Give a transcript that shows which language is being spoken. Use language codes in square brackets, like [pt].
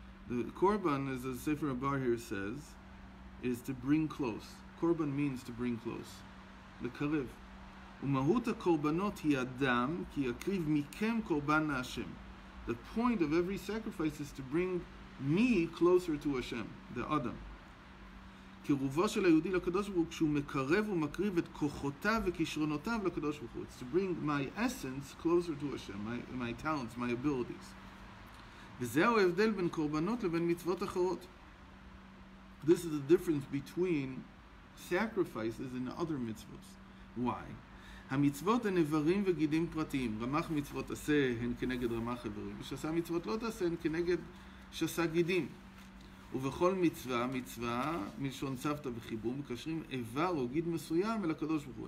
[en] The korban, as the Sefer Abar here says, is to bring close. Korban means to bring close. The kariv. The point of every sacrifice is to bring me closer to Hashem, the Adam. [he] קירובו של היהודי לקדוש ברוך הוא כשהוא מקרב ומקריב את כוחותיו וכישרונותיו לקדוש ברוך הוא. [en] It's to bring my essence closer to Hashem, my talents, my abilities. [he] וזהו ההבדל בין קורבנות לבין מצוות אחרות. [en] This is the difference between sacrifices and other mitzvot. Why? [he] המצוות הן איברים וגידים פרטיים. רמח מצוות עשה הן כנגד רמח איברים. ושעשה מצוות לא תעשה הן כנגד שעשה גידים. ובכל מצווה, מצווה, מלשון סבתא וחיבור, מקשרים איבר או גיד מסוים אל הקדוש ברוך הוא.